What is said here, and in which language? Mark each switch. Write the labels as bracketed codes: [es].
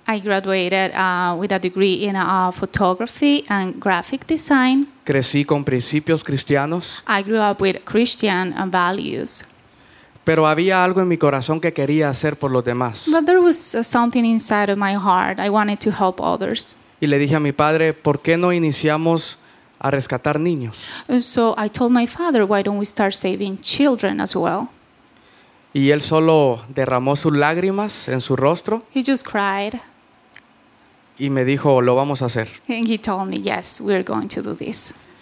[en] I graduated with a degree in photography and graphic design. [es] Crecí con principios cristianos. [en] I grew up with Christian values. [es] Pero había algo en mi corazón que quería hacer por los demás. [en] But there was something inside of my heart. I wanted to help others. [es] Y le dije a mi padre, ¿por qué no iniciamos a rescatar niños? [en] So I told my father, why don't we start saving children as well? [es] Y él solo derramó sus lágrimas en su rostro. [en] He just cried. [es] Y me dijo, lo vamos a hacer. [en] And he told me, yes, we're going to do this.